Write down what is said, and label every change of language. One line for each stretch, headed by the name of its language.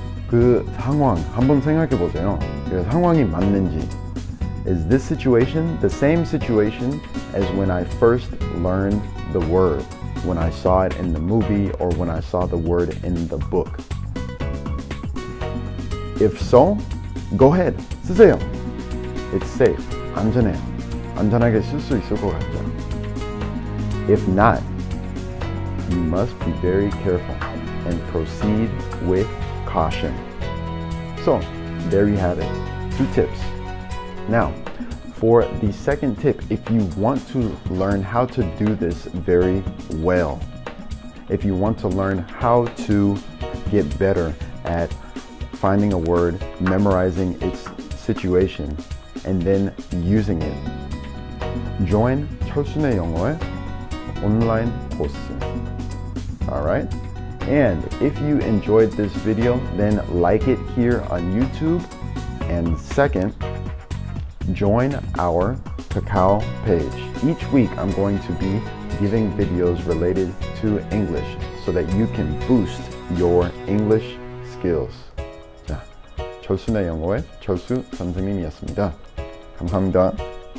Korean: 그 상황 한번 생각해 보세요. 그 상황이 맞는지.
English: Is this situation the same situation as when I first learned the word? When I saw it in the movie or when I saw the word in the book? If so, go ahead.
Korean: 쓰세요.
English: It's safe.
Korean: 안전해요. 안전하게 쓸 수 있을 것 같죠.
English: If not, you must be very careful and proceed with caution. So, there you have it. Two tips. Now, for the second tip, if you want to learn how to do this very well, if you want to learn how to get better at finding a word, memorizing its situation, and then using it, join 철순의 영어의 온라인 코스. Alright? And if you enjoyed this video, then like it here on YouTube. And second, join our Kakao page. Each week I'm going to be giving videos related to English so that you can boost your English skills.
Korean: 자, 철순의 영어의 철수 선생님이었습니다. 감사합니다.